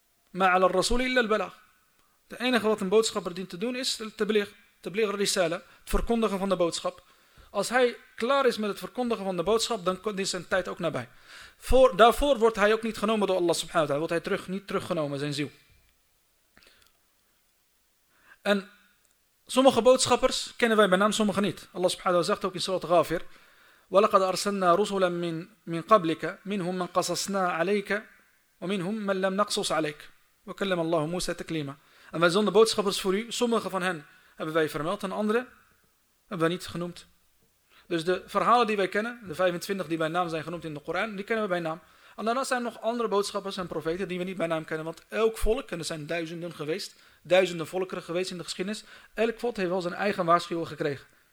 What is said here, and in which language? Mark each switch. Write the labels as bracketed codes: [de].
[nl] Maar [ar] ala rasool illa al-balagh. [nl] De enige wat een boodschapper dient te doen is tabligh risala, het verkondigen van de boodschap. Als hij klaar is met het verkondigen van de boodschap, dan is zijn tijd ook nabij. Daarvoor wordt hij ook niet genomen door Allah subhanahu wa ta'ala. Wordt hij niet teruggenomen, zijn ziel. En sommige boodschappers kennen wij bij naam, sommige niet. Allah subhanahu wa zegt ook in Surat Ghafir: [ar] وَلَقَدْ أَرْسَلْنَا رُسُلًا مِنْ قَبْلِكَ مِنْهُمْ مَنْ قَصَصْنَا عَلَيْكَ وَمِنْهُمْ مَنْ لَمْ نَقْصُصْ عَلَيْكَ وَكَلَّمَ اللَّهُ مُوسَى تَكْلِيمًا. [nl] En wij zonden boodschappers voor u. Sommige van hen hebben wij vermeld en andere hebben wij niet genoemd. Dus de verhalen die wij kennen, de 25 die bij naam zijn genoemd in de Koran, die kennen we bij naam. En daarnaast zijn er nog andere boodschappers en profeten die we niet bij naam kennen. Want elk volk, en er zijn duizenden geweest, duizenden volkeren geweest in de geschiedenis, elk volk heeft wel zijn eigen waarschuwing gekregen.